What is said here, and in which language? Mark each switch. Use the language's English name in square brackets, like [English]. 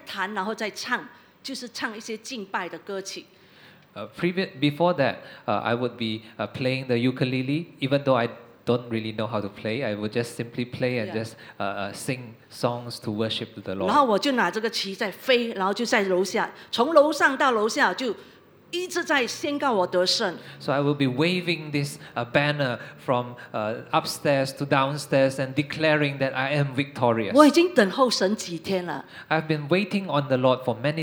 [Chinese] 所以那一天呢，当我这样做的时候，之前我就拿那个尤克里里来打，其实我是不会打，我只是在弹，然后再唱，就是唱一些敬拜的歌曲。 [English] Before that, I would be playing the ukulele, even though I don't really know how to play. I would just simply play and just sing songs to worship the Lord. [Chinese] 然后我就拿这个旗在飞，然后就在楼下，从楼上到楼下就一直在宣告我得胜。 [English] So I will be waving this banner from upstairs to downstairs and declaring that I am victorious. [Chinese] 我已经等候神几天了。 [English] I've been waiting on the Lord for many days.